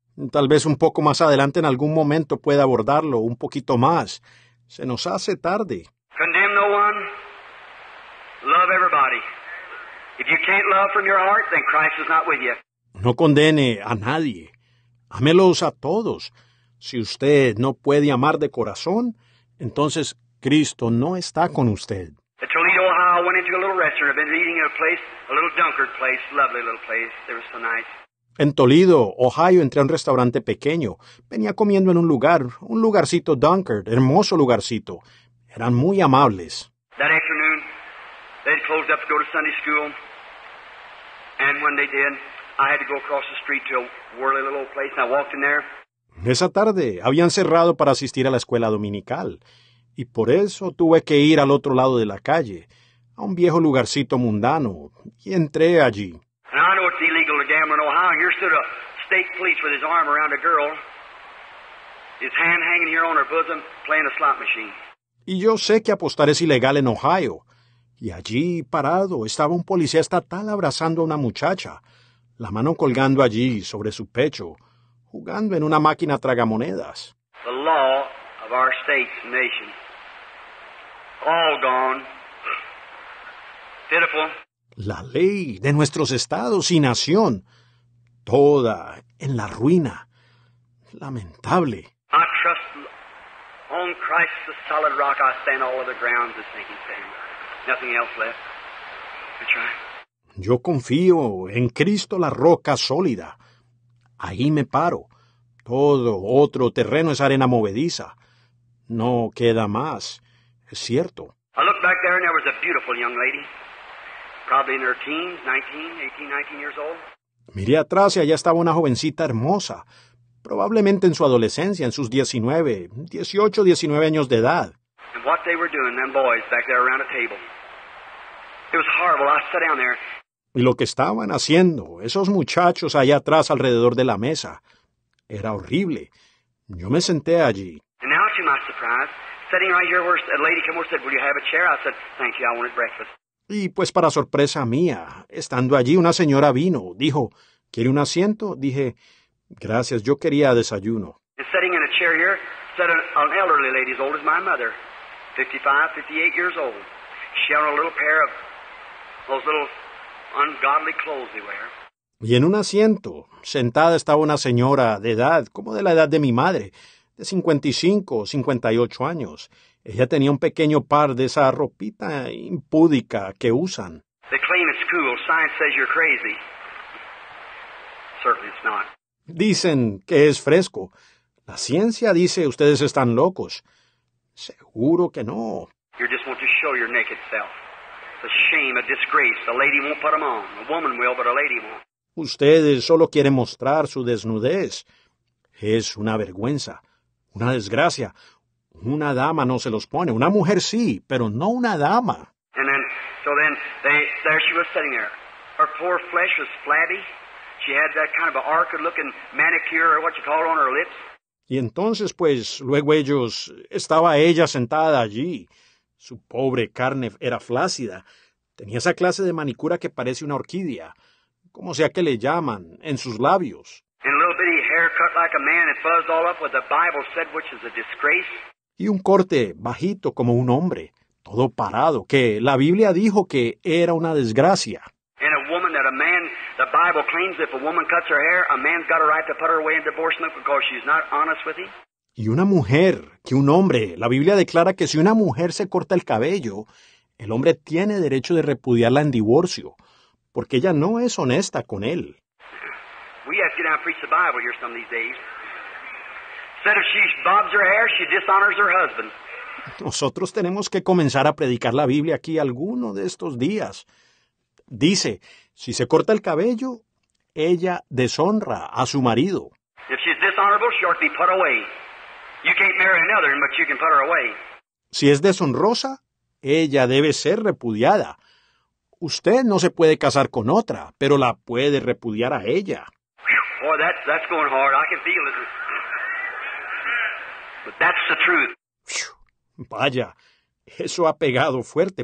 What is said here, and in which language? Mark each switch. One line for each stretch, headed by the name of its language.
Spanish: Tal vez un poco más adelante en algún momento pueda abordarlo un poquito más. Se nos hace tarde.
English: Condemn no one. Love everybody. If you can't love from your heart, then Christ is not with you.
Spanish: No condene a nadie. Amelos a todos. Si usted no puede amar de corazón, entonces Cristo no está con usted.
English: At Toledo, Ohio, I went into a little restaurant. I've been eating at a place, a little dunkard place, lovely little place. There was so nice.
Spanish: En Toledo, Ohio, entré a un restaurante pequeño. Venía comiendo en un lugarcito Dunkard, hermoso lugarcito. Eran muy amables.
English: That afternoon, they'd closed up to go to Sunday school. And when they did, I had to go across the street to a whirly little old place. And I walked in there.
Spanish: Esa tarde, habían cerrado para asistir a la escuela dominical. Y por eso tuve que ir al otro lado de la calle, a un viejo lugarcito mundano. Y entré allí.
English: Now I know it's illegal to gamble in Ohio. Here stood a state police with his arm around a girl, his hand hanging here on her bosom, playing a slot machine.
Spanish: Y yo sé que apostar es ilegal en Ohio. Y allí, parado, estaba un policía estatal abrazando a una muchacha, la mano colgando allí sobre su pecho, jugando en una máquina tragamonedas.
English: The law of our state's nation. All gone. Pitiful.
Spanish: La ley de nuestros estados y nación, toda en la ruina. Lamentable.
English: I trust on Christ the solid rock I stand all other grounds is sinking sand. Nothing else left. That's right.
Spanish: Yo confío en Cristo la roca sólida. Ahí me paro. Todo otro terreno es arena movediza. No queda más. Es cierto.
English: I looked back there and there was a beautiful young lady. Probably in her teens, 18, 19 years old.
Spanish: Miré atrás y allá estaba una jovencita hermosa, probablemente en su adolescencia, en sus 18, 19 años de edad.
English: And what they were doing, them boys back there around a table. It was horrible. I sat down there.
Spanish: Y lo que estaban haciendo esos muchachos allá atrás alrededor de la mesa era horrible. Yo me senté allí.
English: And now to my surprise, sitting right here where a lady came over and said, "Will you have a chair?" I said, "Thank you. I wanted breakfast."
Spanish: Y pues para sorpresa mía, estando allí una señora vino, dijo, ¿quiere un asiento? Dije, gracias, yo quería desayuno.
English: And sitting in a chair here, sat an elderly lady as old as my mother, 55, 58 years old. She had a little pair of those little ungodly clothes they wear.
Spanish: Y en un asiento, sentada estaba una señora de edad, como de la edad de mi madre, de 55, 58 años. Ella tenía un pequeño par de esa ropita impúdica que usan.
English: They claim it's cool. Science says you're crazy. Certainly it's not.
Spanish: Dicen que es fresco. La ciencia dice ustedes están locos. Seguro que no.
English: You just want to show your naked self. It's a shame, a disgrace. A lady won't put them on. A woman will, but a lady won't.
Spanish: Ustedes solo quieren mostrar su desnudez. Es una vergüenza, una desgracia. Una dama no se los pone. Una mujer sí, pero no una dama.
English: And then, so then, there she was sitting there. Her poor flesh was flabby. She had that kind of an arched-looking manicure, or what you call it, on her lips.
Spanish: Y entonces, pues, luego ellos, estaba ella sentada allí. Su pobre carne era flácida. Tenía esa clase de manicura que parece una orquídea. Como sea que le llaman, en sus labios.
English: And a little bitty hair cut like a man and fuzzed all up with the Bible said, which is a disgrace.
Spanish: Y un corte bajito como un hombre, todo parado, que la Biblia dijo que era una desgracia.
English: And a woman that a man, the Bible claims if a woman cuts her hair, a man's got a right to put her away in divorcement because she's not honest with him.
Spanish: Y una mujer, que un hombre, la Biblia declara que si una mujer se corta el cabello, el hombre tiene derecho de repudiarla en divorcio, porque ella no es honesta con él.
English: We have to get out and preach the Bible here some of these days. Said if she bobs her hair, she dishonors her husband.
Spanish: Nosotros tenemos que comenzar a predicar la Biblia aquí alguno de estos días. Dice, si se corta el cabello, ella deshonra a su marido.
English: If she's dishonorable, she ought to be put away. You can't marry another, but you can put her away.
Spanish: Si es deshonrosa, ella debe ser repudiada. Usted no se puede casar con otra, pero la puede repudiar a ella.
English: Boy, that's going hard. I can feel it. But that's the truth.
Spanish: Vaya, eso ha pegado fuerte.